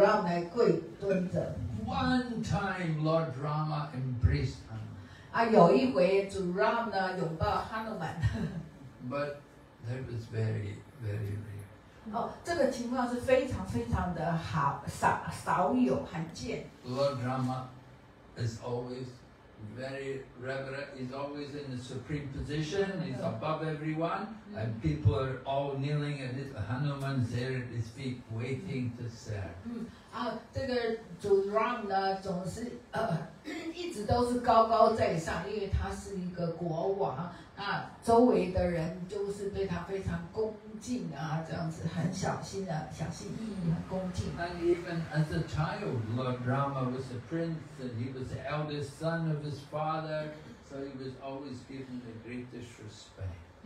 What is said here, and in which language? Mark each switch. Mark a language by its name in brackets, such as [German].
[Chinese] 我们看到Hanuman呢，他总是跪蹲跪着这个对主Ram来跪蹲着。 [English] One time Lord Rama embraced Hanuman. [Chinese] 有一回主Ram呢拥抱Hanuman。 [English] But that was very, very rare. [Chinese] 哦，这个情况是非常非常的少有罕见。 [English] Lord Rama is always very reverent. He's always in the supreme position. He's above everyone, and people are all kneeling at his Hanuman there at his feet, waiting to serve. [Chinese] 这个主 Ram 呢，总是一直都是高高在上，因为他是一个国王。啊，周围的人就是对他非常恭敬啊，这样子很小心啊，小心翼翼，很恭敬。 [English] And even as a child, Lord Rama was a prince, and he was the eldest son of his father, so he was always given the greatest respect.